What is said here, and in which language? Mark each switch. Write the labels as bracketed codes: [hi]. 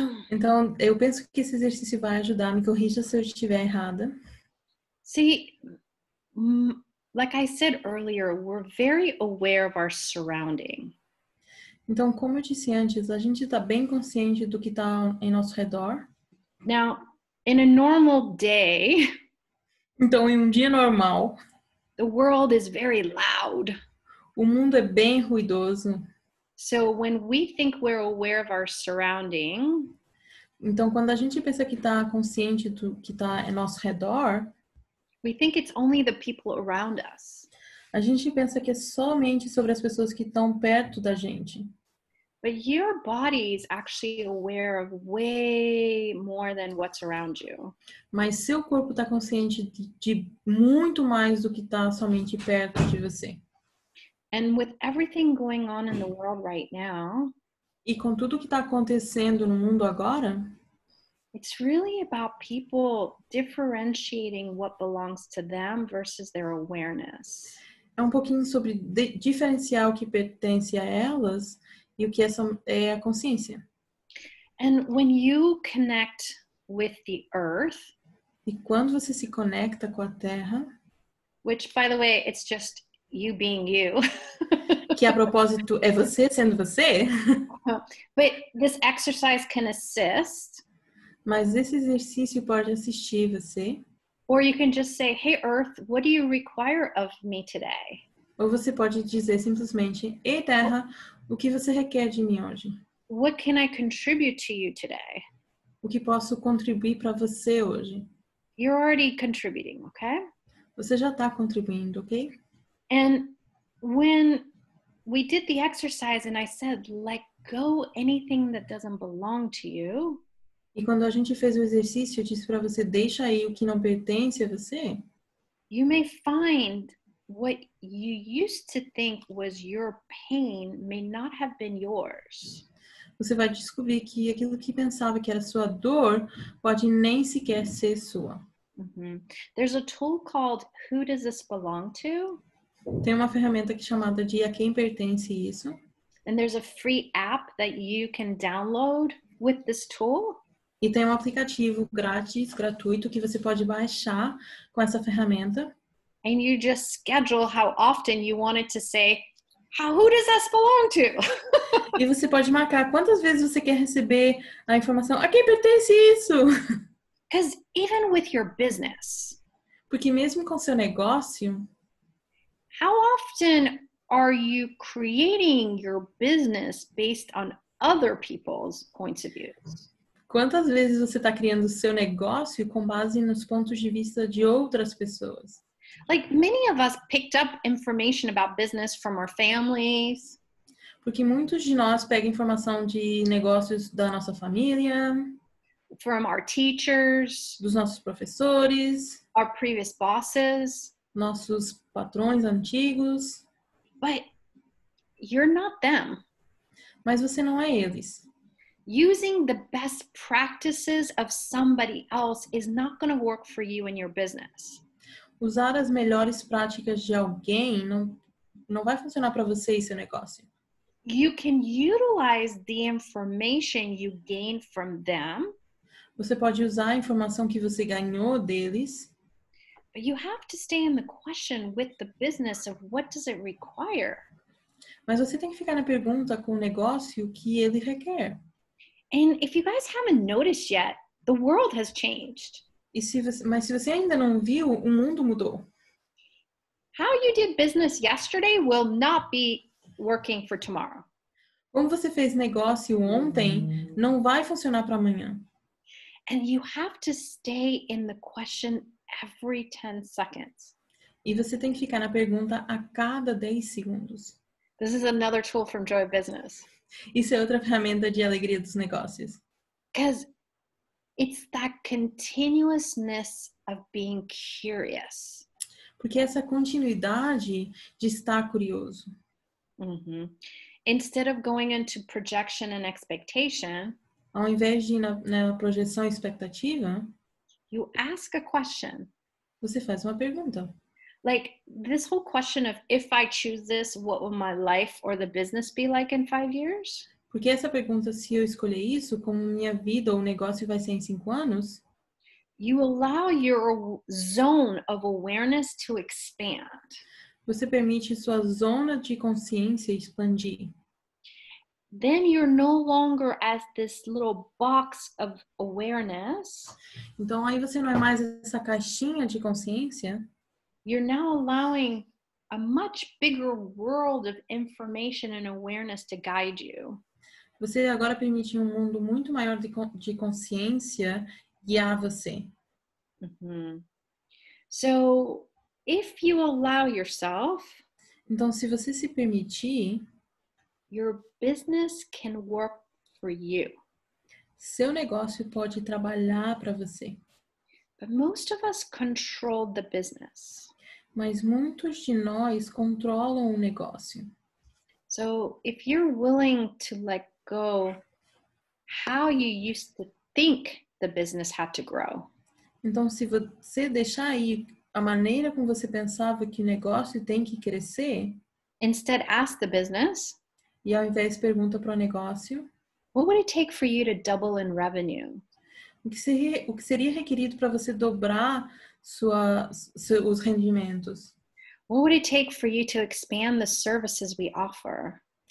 [pt] Então, eu penso que esse exercício vai ajudar, me corrija se eu estiver errada. [en] See, like I said earlier, we're very aware of our surrounding. [pt] Então, como eu disse antes, a gente está bem consciente do que está em nosso redor. [en] Now, in a normal day, [pt] então, em um dia normal, [en] the world is very loud. [pt] O mundo é bem ruidoso. [en] So, when we think we're aware of our surrounding, [pt] então, quando a gente pensa que está consciente do que está em nosso redor, [en] we think it's only the people around us. [pt] A gente pensa que é somente sobre as pessoas que estão perto da gente. [en] But your body is actually aware of way more than what's around you. [pt] Mas seu corpo está consciente de muito mais do que está somente perto de você. [en] And with everything going on in the world right now, [pt] e com tudo que está acontecendo no mundo agora, [en] it's really about people differentiating what belongs to them versus their awareness. [pt] É um pouquinho sobre diferenciar o que pertence a elas e o que é a consciência. [en] And when you connect with the earth, [pt] e quando você se conecta com a terra, [en] which, by the way, it's just you being you. [pt] Que a propósito é você sendo você. [en] But this exercise can assist. [pt] Mas esse exercício pode assistir você. [en] Or you can just say, hey, Earth, what do you require of me today? [pt] Ou você pode dizer simplesmente, ei, Terra, o que você requer de mim hoje? [en] What can I contribute to you today? [pt] O que posso contribuir para você hoje? [en] You're already contributing, okay? [pt] Você já está contribuindo, ok? [en] And when we did the exercise and I said, let go anything that doesn't belong to you, [pt] e quando a gente fez o exercício, eu disse para você, deixa aí o que não pertence a você. [en] You may find what you used to think was your pain may not have been yours. [pt] Você vai descobrir que aquilo que pensava que era sua dor pode nem sequer ser sua. Mm-hmm. [en] There's a tool called Who Does This Belong To? [pt] Tem uma ferramenta aqui chamada de A Quem Pertence Isso? [en] And there's a free app that you can download with this tool. [pt] E tem um aplicativo grátis, gratuito, que você pode baixar com essa ferramenta. [en] And you just schedule how often you want it to say, how, who does this belong to? [pt] E você pode marcar quantas vezes você quer receber a informação, a quem pertence isso? [en] Because even with your business. [pt] Porque mesmo com seu negócio. [en] How often are you creating your business based on other people's points of view? [pt] Quantas vezes você está criando o seu negócio com base nos pontos de vista de outras pessoas? [en] Like many of us picked up information about business from our families. [pt] Porque muitos de nós pegam informação de negócios da nossa família. [en] From our teachers. [pt] Dos nossos professores. [en] Our previous bosses. [pt] Nossos patrões antigos. [en] But you're not them. [pt] Mas você não é eles. [en] Using the best practices of somebody else is not going to work for you and your business. [pt] Usar as melhores práticas de alguém não vai funcionar para você e seu negócio. [en] You can utilize the information you gain from them. [pt] Você pode usar a informação que você ganhou deles. [en] But you have to stay in the question with the business of what does it require. [pt] Mas você tem que ficar na pergunta com o negócio o que ele requer. [en] And if you guys haven't noticed yet, the world has changed. [pt] Mas se você ainda não viu, o mundo mudou. [en] How you did business yesterday will not be working for tomorrow. [pt] Como você fez negócio ontem, não vai funcionar para amanhã. [en] And you have to stay in the question every 10 seconds. [pt] E você tem que ficar na pergunta a cada 10 segundos. [en] This is another tool from Joy Business. [pt] Isso é outra ferramenta de alegria dos negócios. [en] Because it's that continuousness of being curious. [pt] Porque essa continuidade de estar curioso. [en] Mm-hmm. Instead of going into projection and expectation, [pt] ao invés de ir na projeção e expectativa, [en] You ask a question. [pt] Você faz uma pergunta. [en] Like this whole question of if I choose this, what will my life or the business be like in 5 years? [pt] Porque essa pergunta, se eu escolher isso, como minha vida ou negócio vai ser em 5 anos? [en] You allow your zone of awareness to expand. [pt] Você permite sua zona de consciência expandir. [en] Then you're no longer as this little box of awareness. [pt] Então aí você não é mais essa caixinha de consciência. [en] You're now allowing a much bigger world of information and awareness to guide you. [pt] Você agora permite um mundo muito maior de consciência guiar você. [en] Mm-hmm. So, if you allow yourself, [pt] então se você se permitir, [en] your business can work for you. [pt] Seu negócio pode trabalhar para você. [en] But most of us control the business. [pt] Mas muitos de nós controlam o negócio. [en] So, if you're willing to let go how you used to think the business had to grow. [pt] Então, se você deixar aí a maneira como você pensava que o negócio tem que crescer, [en] instead ask the business, [pt] e ao invés pergunta para o negócio, [en] what would it take for you to double in revenue? [pt] O que seria requerido para você dobrar os rendimentos? [en] What would it take for you to expand the services we offer?